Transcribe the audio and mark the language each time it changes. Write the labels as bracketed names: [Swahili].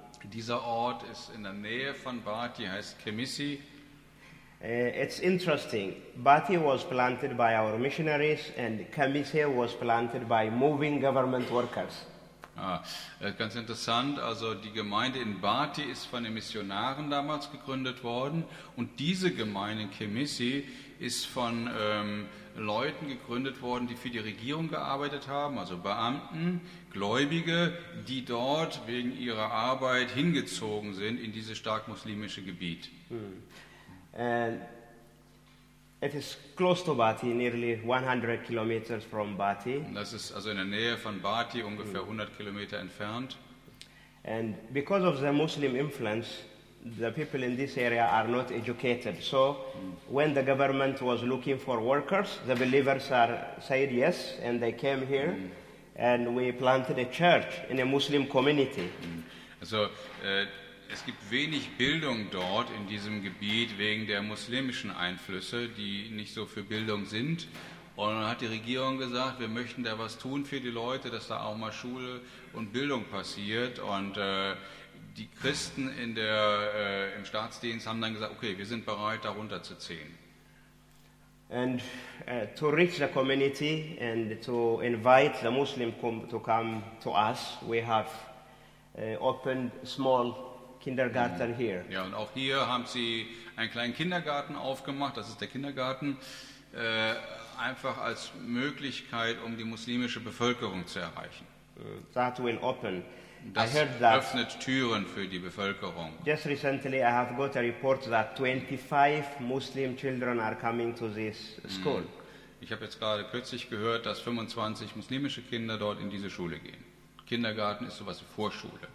[German] Dieser Ort ist in der Nähe von Bati, heißt Kemisi. [English] It's interesting. Bati was planted by our missionaries and Kemisi was planted by moving government workers. [German] Ganz interessant. Also die Gemeinde in Bati ist von den Missionaren damals gegründet worden und diese Gemeinde in Kemisi ist von Leuten gegründet worden, die für die Regierung gearbeitet haben, also Beamten, Gläubige, die dort wegen ihrer Arbeit hingezogen sind in dieses stark muslimische Gebiet. [English] It is close to Bati, nearly 100 kilometers from Bati. [German] Das ist also in der Nähe von Bati, ungefähr 100 Kilometer entfernt. [English] And because of the Muslim influence, the people in this area are not educated. So when the government was looking for workers, the believers said yes and they came here and we planted a church in a Muslim community. [German] Also es gibt wenig Bildung dort in diesem Gebiet wegen der muslimischen Einflüsse, die nicht so für Bildung sind. Und dann hat die Regierung gesagt, wir möchten da was tun für die Leute, dass da auch mal Schule und Bildung passiert. Und die Christen in der, im Staatsdienst haben dann gesagt, okay, wir sind bereit, da runterzuziehen. [English] And to reach the community and to invite the Muslim to come to us, we have opened small Kindergarten here. [German] Ja, und auch hier haben sie einen kleinen Kindergarten aufgemacht, das ist der Kindergarten, einfach als Möglichkeit, um die muslimische Bevölkerung zu erreichen. [English] That will open. [German] Das [English] I heard that [German] öffnet Türen für die Bevölkerung. [English] Just recently I have got a report that 25 Muslim children are coming to this school. [German] Ich habe jetzt gerade kürzlich gehört, dass 25 muslimische Kinder dort in diese Schule gehen. Kindergarten ist sowas wie Vorschule.